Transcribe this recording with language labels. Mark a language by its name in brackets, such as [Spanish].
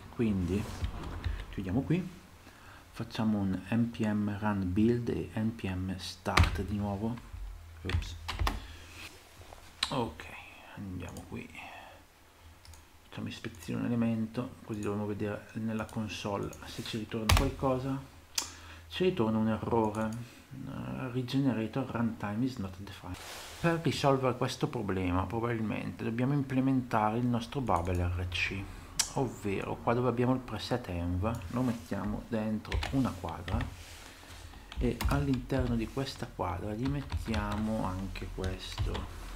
[Italian] Quindi chiudiamo qui, facciamo un npm run build e npm start di nuovo. Oops. Ok, andiamo qui. Facciamo ispezione elemento, così dovremo vedere nella console se ci ritorna qualcosa. Ci ritorna un errore. [English] Regenerator runtime is not defined. [Italian] Per risolvere questo problema, probabilmente dobbiamo implementare il nostro bubble RC, ovvero qua dove abbiamo il preset env, lo mettiamo dentro una quadra e all'interno di questa quadra gli mettiamo anche questo.